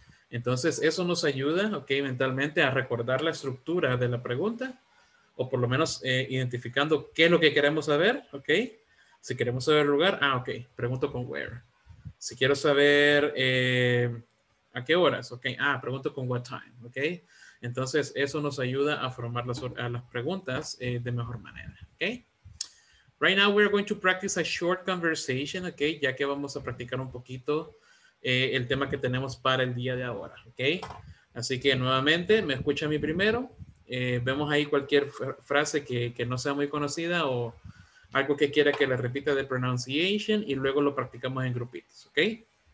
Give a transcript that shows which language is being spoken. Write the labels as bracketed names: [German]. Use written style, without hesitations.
[Spanish] Entonces, eso nos ayuda, ¿ok? Mentalmente a recordar la estructura de la pregunta, o por lo menos identificando qué es lo que queremos saber, ¿ok? Si queremos saber el lugar, ok, pregunto con where. Si quiero saber a qué horas, ¿ok? Pregunto con [English] what time, [Spanish] ¿ok? Entonces, eso nos ayuda a formar las preguntas de mejor manera. Okay. [English] Right now we're going to practice a short conversation, okay? [Spanish] Ya que vamos a practicar un poquito el tema que tenemos para el día de ahora, okay? Así que nuevamente, me escucha a mí primero. Vemos ahí cualquier frase que no sea muy conocida o algo que quiera que le repita de pronunciation y luego lo practicamos en grupitos, okay?